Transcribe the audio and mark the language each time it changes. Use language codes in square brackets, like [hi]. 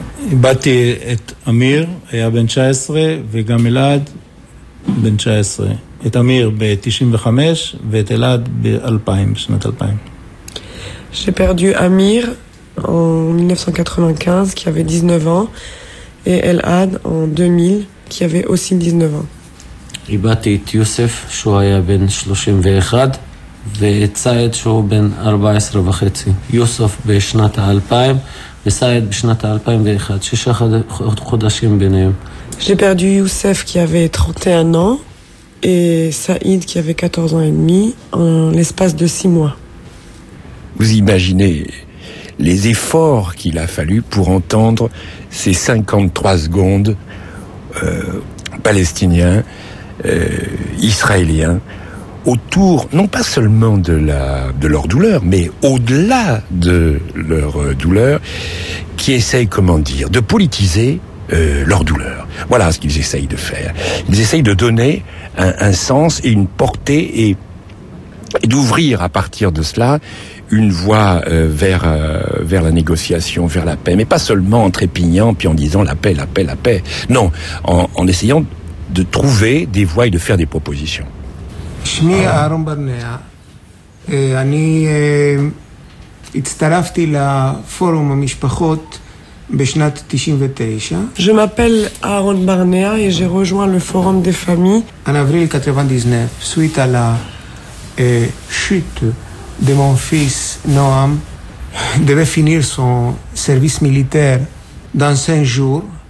[he] איבדתי את אמיר, היה בן 19, וגם אלעד בן 19. את אמיר ב-95 ואת אלעד ב-2000, בשנת 2000. [fr] J'ai perdu Amir en 1995, qui avait 19 ans, et אלעד en 2000, qui avait aussi 19 ans. [he] איבדתי את יוסף, שהוא היה בן 31, ואת צייד, שהוא בן 14 וחצי. יוסף בשנת 2000, וסייד בשנת 2001, שישה חודשים ביניהם. [fr] J'ai perdu Youssef qui avait 31 ans et Saïd qui avait 14 ans et demi en l'espace de 6 mois. Vous imaginez les efforts qu'il a fallu pour entendre ces 53 secondes palestiniens, israéliens, autour, non pas seulement de leur douleur, mais au-delà de leur douleur, qui essayent, comment dire, de politiser leur douleur. Voilà ce qu'ils essayent de faire. Ils essayent de donner un sens et une portée et d'ouvrir à partir de cela une voie vers la négociation, vers la paix. Mais pas seulement en trépignant puis en disant la paix, la paix, la paix. Non, en essayant de trouver des voies et de faire des propositions. [he] שמי אהרון ברנע, אני הצטרפתי לפורום המשפחות בשנת 99. [fr] Je m'appelle Aaron Barnea et j'ai rejoint le forum des familles. En avril 99, suite à la chute de mon fils Noam, devait finir son service militaire dans 5 jours.